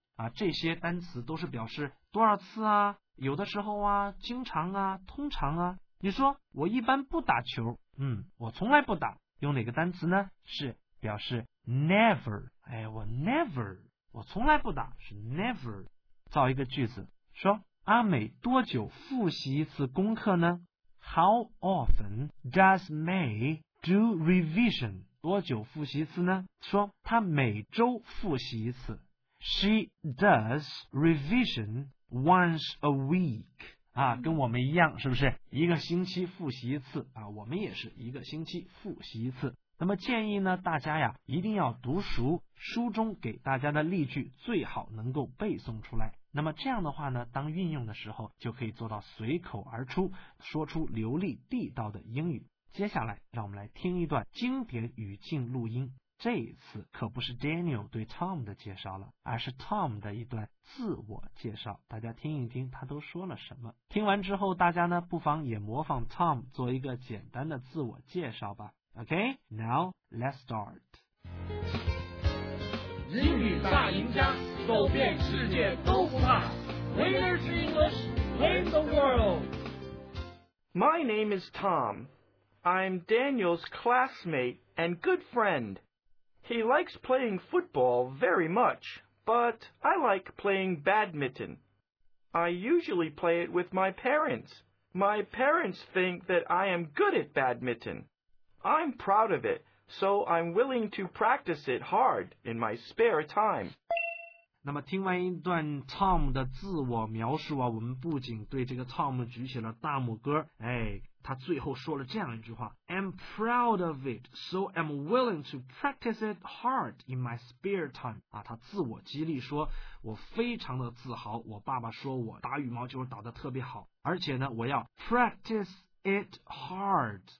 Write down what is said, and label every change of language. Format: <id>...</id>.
<zh>啊，这些单词都是表示多少次啊，有的时候啊，经常啊，通常啊。你说我一般不打球，我从来不打，用哪个单词呢？是表示 never。哎，我 never， 我从来不打，是 never。造一个句子，说阿美多久复习一次功课呢？</zh> <en>How often does May do revision？</en> <zh>多久复习一次呢？说她每周复习一次。</zh> <en>She does revision once a week.</en> <zh>啊，跟我们一样，是不是？一个星期复习一次啊，我们也是一个星期复习一次。那么建议呢，大家呀，一定要读熟书中给大家的例句，最好能够背诵出来。那么这样的话呢，当运用的时候，就可以做到随口而出，说出流利地道的英语。接下来，让我们来听一段经典语境录音。这一次可不是 Daniel 对 Tom 的介绍了，而是 Tom 的一段自我介绍，大家听一听他都说了什么。听完之后，大家呢不妨也模仿 Tom 做一个简单的自我介绍吧。</zh> <en>OK, now let's start.</en> <zh>英语大赢家，走遍世界都不怕。</zh> <en>Winners English, win the world. My name is Tom. I'm Daniel's classmate and good friend. He likes playing football very much, but I like playing badminton. I usually play it with my parents. My parents think that I am good at badminton. I'm proud of it, so I'm willing to practice it hard in my spare time.</en> <zh>那么听完一段 Tom 的自我描述啊，我们不仅对这个 Tom 举起了大拇哥，他最后说了这样一句话</zh> <en>I'm proud of it, so I'm willing to practice it hard in my spare time.</en> <zh>啊，他自我激励说，我非常的自豪，我爸爸说我打羽毛球打得特别好，而且呢，我要</zh> <en>practice it hard.</en>